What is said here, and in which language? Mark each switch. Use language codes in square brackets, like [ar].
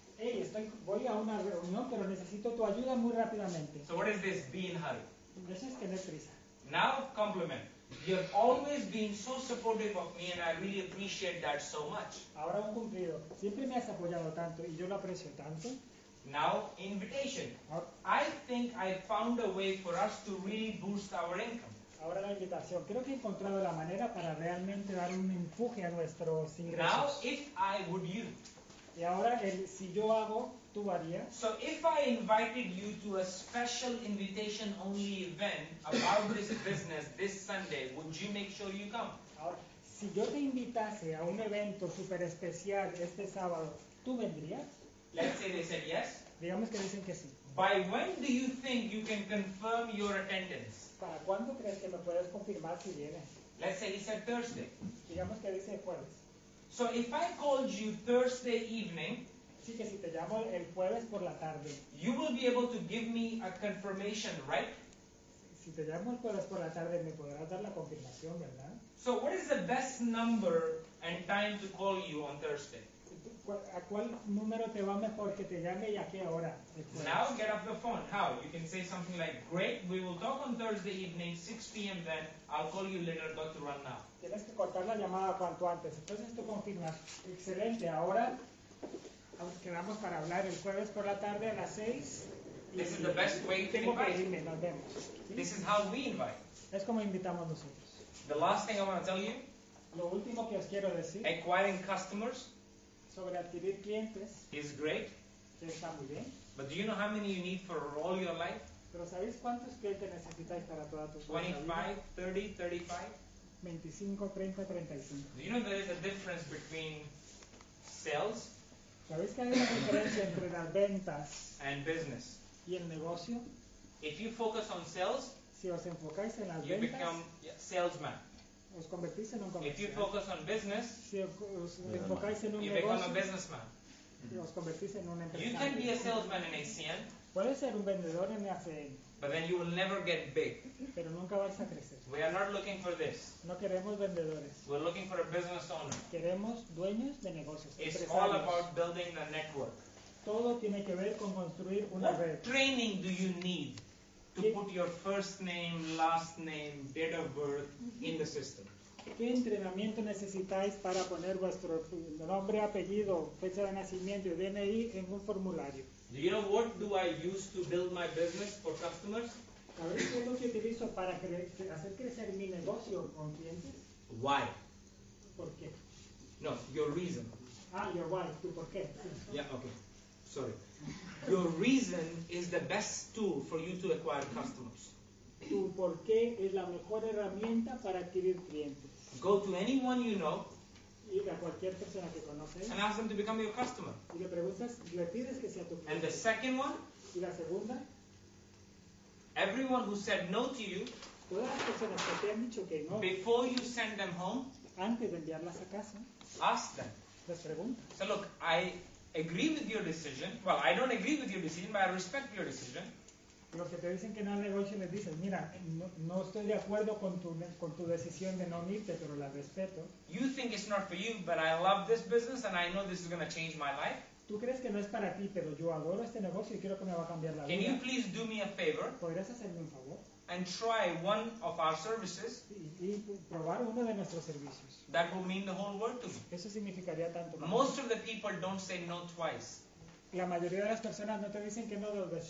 [es] Hey, voy a una reunión pero necesito tu ayuda muy rápidamente. [en] So what is this, be in hurry? This is [es] tener prisa. [en] Now, compliment. You have always been so supportive of me and I really appreciate that so much. [es] Ahora un cumplido. Siempre me has apoyado tanto y yo lo aprecio tanto. [en] Now, invitation. I think I found a way for us to really boost our income. [es] Ahora la invitación. Creo que he encontrado la manera para realmente dar un empuje a nuestros ingresos. [en] Now, if I would you. [es] Y ahora, si yo hago, tú harías. [en] So, if I invited you to a special invitation-only event about this business this Sunday, would you make sure you come? [es] Ahora, si yo te invitase a un evento súper especial este sábado, ¿tú vendrías? [en] Let's say they said yes. [es] Digamos que dicen que sí. [en] By when do you think you can confirm your attendance? [es] ¿Para cuándo crees que me puedes confirmar si vienes? [en] Let's say he said Thursday. [es] Digamos que dice jueves. [en] So if I called you Thursday evening, [es] sí, que si te llamo el jueves por la tarde, [en] you will be able to give me a confirmation, right? [es] Si te llamo el jueves por la tarde, me podrás dar la confirmación, ¿verdad? [en] So what is the best number and time to call you on Thursday? [es] ¿A cuál número te va mejor que te llame y a qué hora? [en] Now get off the phone. How? You can say something like, great, we will talk on Thursday evening, 6 p.m. then. I'll call you later, got to run now. [es] Tienes que cortar la llamada cuanto antes. Entonces tú confirmas. Excelente. Ahora quedamos para hablar el jueves por la tarde a las 6. [en] This is the best way to invite. [es] Irme, nos vemos. ¿Sí? [en] This is how we invite. [es] Es como invitamos nosotros. [en] The last thing I want to tell you. [es] Lo último que os quiero decir. [en] Acquiring customers. [es] Sobre adquirir clientes. [en] Is great. [es] Que está muy bien. [en] But do you know how many you need for all your life? [es] Pero ¿sabéis cuántos clientes necesitáis para toda tu [en] 25, [es] vida? [en] 25, 30, 35. [es] 25, 30, 35. [en] Do you know there is a difference between sales? [es] ¿Sabéis que hay una diferencia entre las ventas? [en] And business. [es] Y el negocio. [en] If you focus on sales. [es] Si os enfocáis en las [en] you [es] ventas. [en] You become salesman. [es] Os convertís en un comerciante. [en] If you focus on business. [es] Si os enfocáis en un [en] you [es] negocio. [en] You become a businessman. [es] Y os convertís en un empresario. [en] You can be a salesman in ACN. [es] Puedes ser un vendedor en ACN. [en] But then you will never get big. [es] Pero nunca vais a crecer. [en] We are not looking for this. [es] No queremos vendedores. [en] We're looking for a business owner. [es] Queremos dueños de negocios. [en] It's all about building the network. [es] Todo tiene que ver con construir una [en] What [es] red. [en] What training do you need to put your first name, last name, date of birth in the system? [es] ¿Qué entrenamiento necesitáis para poner vuestro nombre, apellido, fecha de nacimiento y DNI en un formulario? [en] Do you know what do I use to build my business for customers? [es] ¿Sabéis qué es lo que utilizo para hacer crecer mi negocio con clientes? [en] Why? [es] ¿Por qué? [en] No, your reason. Ah, your why, [es] tu por qué. [en] Yeah, okay. Sorry. Your reason is the best tool for you to acquire customers. [es] Tu por qué es la mejor herramienta para adquirir clientes. [en] Go to anyone you know. [es] Ir a cualquier persona que conoces. [en] And ask them to become your customer. [es] Y le preguntas, le pides que sea tu cliente. [en] And the second one. [es] Y la segunda. [en] Everyone who said no to you. [es] Todas las personas que te han dicho que no. [en] Before you send them home. [es] Antes de enviarlas a casa. [en] Ask them. [es] Les pregunta. [en] So look, I agree with your decision. Well, I don't agree with your decision, but I respect your decision. [es] Los que te dicen que no al negocio les dices, mira, no estoy de acuerdo con tu decisión de no unirte, pero la respeto. [en] You think it's not for you, but I love this business and I know this is going to change my life. [es] ¿Tú crees que no es para ti, pero yo adoro este negocio y quiero que me va a cambiar la [en] Can [es] vida? [en] Can you please do me a favor? [es] ¿Podrías hacerme un favor? [en] And try one of our services. [es] Y probar uno de nuestros servicios. [en] That will mean the whole world to me. [es] Eso significaría tanto. [en] Most of the people don't say no twice. [es] La mayoría de las personas no te dicen que no dos veces.